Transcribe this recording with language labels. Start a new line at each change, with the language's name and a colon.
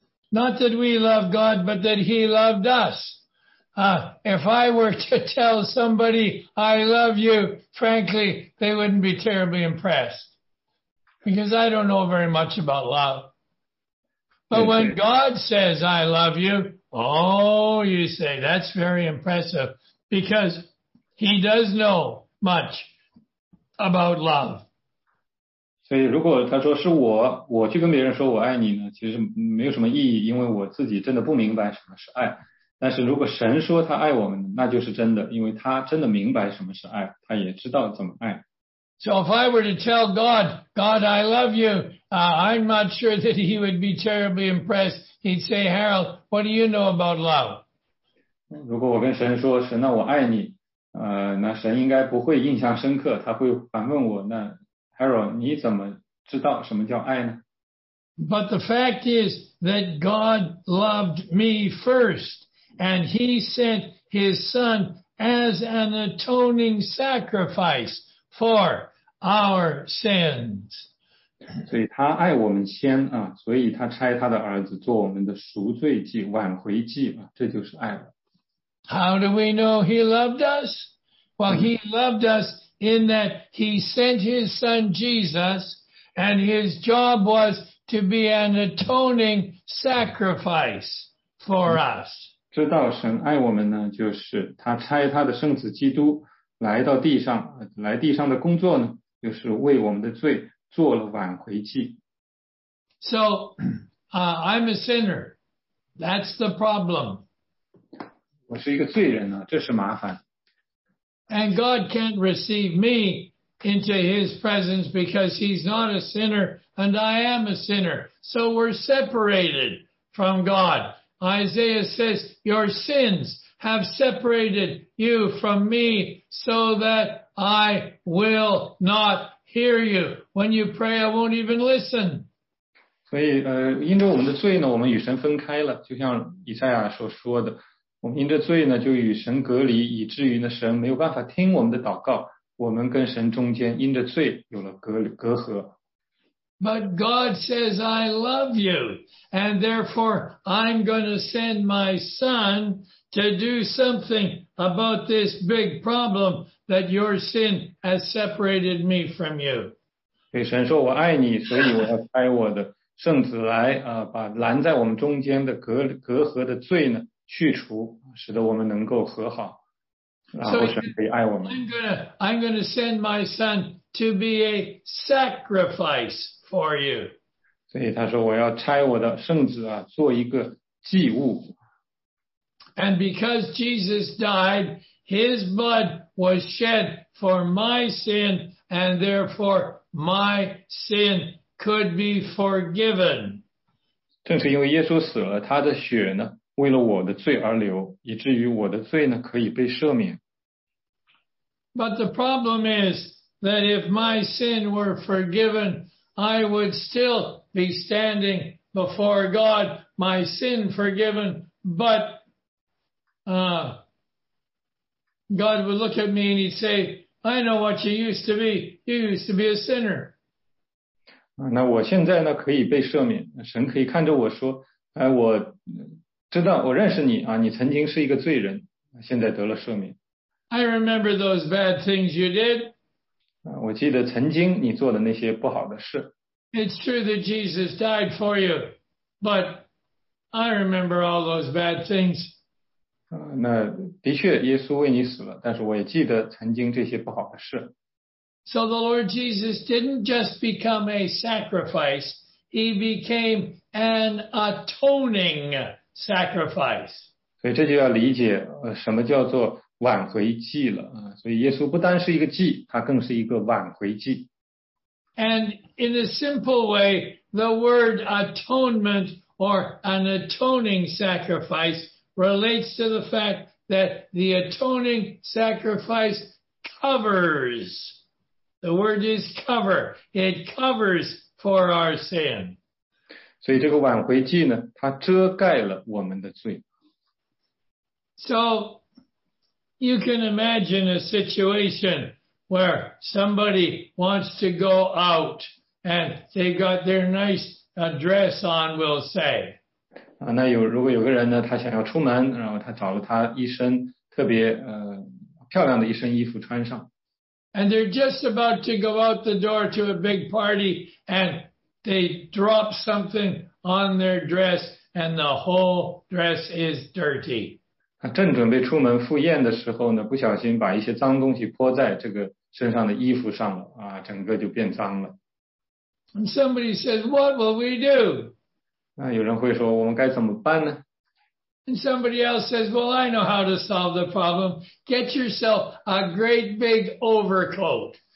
English: Not that we love God, but that he loved us. If I were to tell somebody I love you, frankly, they wouldn't be terribly impressed. Because I don't know very much about love. But when God says I love you, oh, you say, that's very impressive. Because he does know much about love.
Chinese: 所以如果他说是我，我去跟别人说我爱你呢，其实没有什么意义，因为我自己真的不明白什么是爱。但是如果神说他爱我们，那就是真的，因为他真的明白什么是爱，他也知道怎么爱。
English: So if I were to tell God, God, I love you, I'm not sure that he would be terribly impressed. He'd say, Harold, what do you know about love?
Chinese: 如果我跟神说，神啊，我爱你，那神应该不会印象深刻，他会反问我，那 Harold, 你怎么知道什么叫爱呢？
English: But the fact is that God loved me first. And he sent his son as an atoning sacrifice for our sins.
Chinese: 所以他爱我们先啊，所以他差他的儿子做我们的赎罪祭、挽回祭嘛，这就是爱了。
English: How do we know he loved us? Well, he loved us in that he sent his son Jesus, and his job was to be an atoning sacrifice for us.
Chinese: 知道神爱我们呢，就是他差他的圣子基督来到地上，来地上的工作呢，就是为我们的罪做了挽回祭。
English: So, I'm a sinner. That's the problem.
Chinese: 我是一个罪人呢，这是麻烦。
English: And God can't receive me into his presence because he's not a sinner and I am a sinner. So we're separated from God. Isaiah says, your sins have separated you from me so that I will not hear you. When you pray, I won't even listen.
Chinese: 所以因着我们的罪呢，我们与神分开了，就像以赛亚所说的，我们因着罪呢，就与神隔离，以至于呢，神没有办法听我们的祷告，我们跟神中间因着罪有了隔阂。
English: But God says, I love you, and therefore I'm going to send my son to do something about this big problem that your sin has separated me from you.
Chinese: 对，神说我爱你，所以我要派我的圣子来把拦在我们中间的隔阂的罪呢去除，使得我们能够和好，然后神可以爱我们。
English: So, I'm gonna send my son to be a sacrifice for you.
Chinese: 所以他说我要差我的圣子啊做一个祭物。
English: And because Jesus died, his blood was shed for my sin, and therefore my sin could be forgiven.
Chinese: 正是因为耶稣死了，他的血呢为了我的罪而流，以至于我的罪呢可以被赦免。
English: But the problem is that if my sin were forgiven, I would still be standing before God, my sin forgiven, but God would look at me and he'd say, I know what you used to be. You used to be a sinner.
Chinese: 那我现在呢可以被赦免，神可以看着我说，哎，我知道，我认识你啊，你曾经是一个罪人，现在得了赦免。
English: I remember those bad things you did.
Chinese: 我记得曾经你做的那些不好的事。
English: It's true that Jesus died for you, but I remember all those bad things.
Chinese: 那的确耶稣为你死了，但是我也记得曾经这些不好的事。
English: So the Lord Jesus didn't just become a sacrifice, he became an atoning sacrifice.
Chinese: 所以这就要理解什么叫做挽回祭了。所以耶稣不单是一个祭，他更是一个挽回祭。
English: And in a simple way, the word atonement or an atoning sacrifice relates to the fact that the atoning sacrifice covers. The word is cover. It covers for our sin.
Chinese: 所以这个挽回祭呢，它遮盖了我们的罪。
English: So, you can imagine a situation where somebody wants to go out and they got their nice dress on, we'll say.
Chinese: 那有如果有个人呢，他想要出门，然后他找了他一身特别漂亮的一身衣服穿上。
English: And they're just about to go out the door to a big party, and they drop something on their dress, and the whole dress is dirty.
Chinese: 他正准备出门赴宴的时候呢，不小心把一些脏东西泼在这个身上的衣服上了啊，整个就变脏了。
English: And somebody says, "What will we do?"
Chinese: 那有人会说，我们该怎么办呢？
English: And somebody else says, well, I know how to solve the problem. Get yourself a great big overcoat.